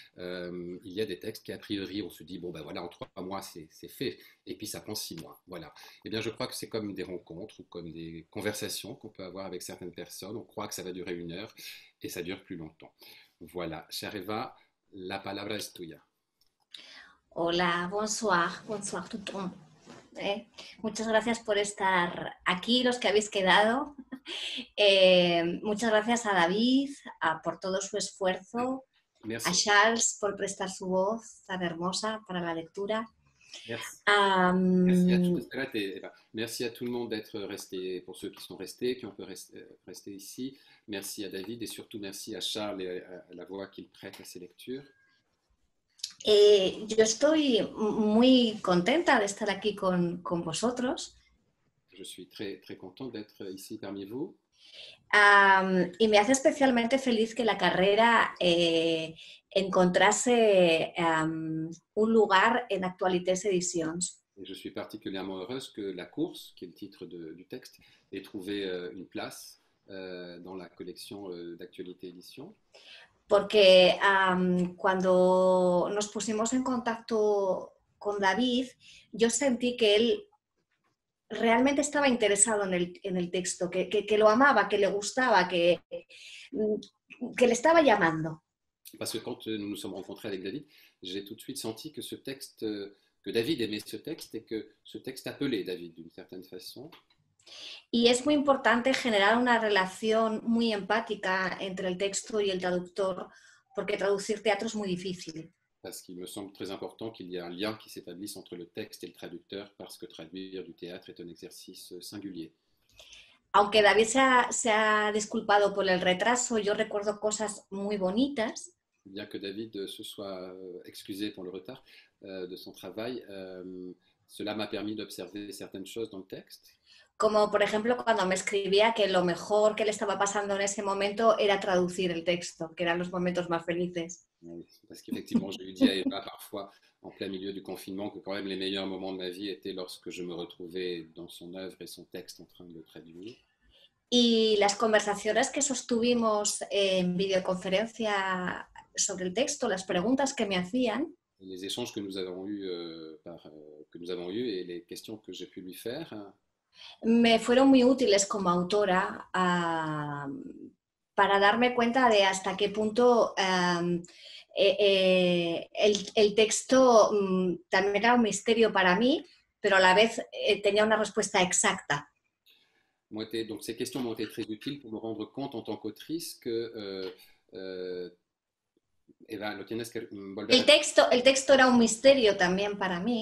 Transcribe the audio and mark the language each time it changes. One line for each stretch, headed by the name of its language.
French: Il y a des textes qui, a priori, on se dit, bon, ben voilà, en 3 mois, c'est fait, et puis ça prend 6 mois, voilà. Eh bien, je crois que c'est comme des rencontres ou comme des conversations qu'on peut avoir avec certaines personnes. On croit que ça va durer 1 heure, et ça dure plus longtemps. Voilà, chère
Spanish: Eva, la palabra es tuya. Hola,
French: bonsoir, bonsoir tout le monde.
Spanish: Muchas gracias por estar aquí, los que habéis quedado. Muchas gracias a David por todo su esfuerzo.
French: Merci.
Spanish: A Charles por prestar su voz tan hermosa para la lectura.
French: Merci à tout le monde d'être resté, pour ceux qui sont restés, qui ont pu rester ici. Merci à David et surtout merci à Charles et à la voix qu'il prête à ses lectures.
Spanish: Yo estoy muy contenta de estar aquí con vosotros.
French: Je suis très, très contente d'être ici parmi vous.
Spanish: Y me hace especialmente feliz que la carrera encontrase un lugar en Actualités Editions.
French: Et je suis particulièrement heureuse que La Course, qui est le titre du texte, ait trouvé une place dans la collection d'Actualités Editions.
Spanish: Porque cuando nos pusimos en contacto con David, yo sentí que él realmente estaba interesado en el texto, que lo amaba, que le gustaba, que le estaba llamando.
French: Parce que quand nous nous sommes rencontrés avec David, j'ai tout de suite senti que ce texte, que David aimait ce texte et que ce texte appelait David d'une certaine façon.
Spanish: Y es muy importante generar una relación muy empática entre el texto y el traductor, porque traducir teatro es muy difícil.
French: Parce qu'il me semble très important qu'il y ait un lien qui s'établisse entre le texte et le traducteur, parce que traduire du théâtre est un exercice singulier.
Spanish: Aunque David se ha disculpado por el retraso, yo recuerdo cosas muy bonitas.
French: Bien que David se soit excusé pour le retard de son travail, cela m'a permis d'observer certaines choses dans le texte.
Spanish: Como por ejemplo cuando me escribía que lo mejor que le estaba pasando en ese momento era traducir el texto, que eran los momentos más felices.
French: Parce qu'effectivement, je lui dis à Eva parfois, en plein milieu du confinement, que quand même les meilleurs moments de ma vie étaient lorsque je me retrouvais dans son œuvre et son texte en train de le traduire.
Spanish: Y las conversaciones que sostuvimos en videoconferencia sobre el texto, las preguntas que me hacían.
French: Les échanges que nous avons eus et les questions que j'ai pu lui faire.
Spanish: Me fueron muy útiles como autora para darme cuenta de hasta qué punto el texto también era un misterio para mí, pero a la vez tenía una respuesta exacta.
French: Donc ces questions m'ont été très utiles pour me rendre compte en tant qu'autrice que Eva,
Spanish: lo tienes que volver. El texto era un misterio también para mí.